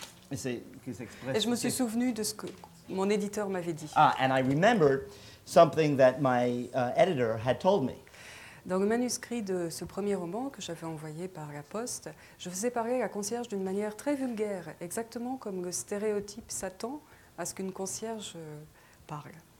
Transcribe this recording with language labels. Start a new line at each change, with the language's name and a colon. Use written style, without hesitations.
French: Et je me suis souvenu de ce que mon éditeur m'avait dit.
English: Ah, and I remembered something that my editor had told me.
French: Dans le manuscrit de ce premier roman que j'avais envoyé par la poste, je faisais parler à la concierge d'une manière très vulgaire, exactement comme le stéréotype s'attend à ce qu'une concierge parle.